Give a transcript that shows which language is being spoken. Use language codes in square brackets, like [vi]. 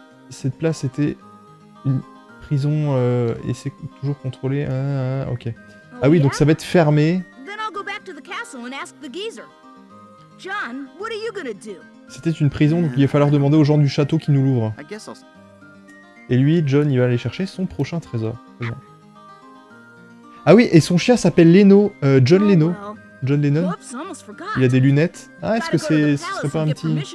[fr] Cette place était une prison et c'est toujours contrôlé. OK. Ah oui, donc ça va être fermé. [en] Then I'll go back to the castle and ask the geezer. John, what are you gonna do? [fr] C'était une prison, donc il va falloir demander aux gens du château qui nous l'ouvrent. Et lui, John, il va aller chercher son prochain trésor. Ah oui, et son chien s'appelle Leno, John Leno. John Lennon. Il a des lunettes. Ah, est-ce que c'est, ce serait pas un petit...